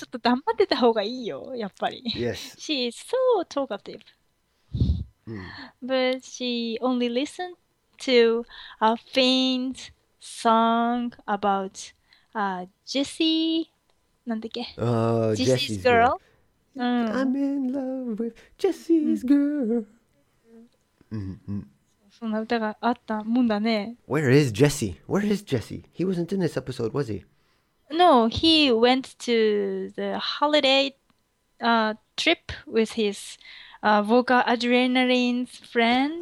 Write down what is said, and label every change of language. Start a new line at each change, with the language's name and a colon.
Japanese: ちょっと黙ってた方がいいよ、やっぱり。
English: Yes. She is so talkative. But she only listened to a faint song about Jessie.
Japanese: なんだっけ？ Oh,
English: Jessie's Jesse's girl. girl. I'm in love with Jesse's girl.
Japanese: そんな歌があったもんだね。
English: Where is Jesse? Where is Jesse? He wasn't in this episode, was he? No, he went to the holiday trip with his vocal adrenaline's friend.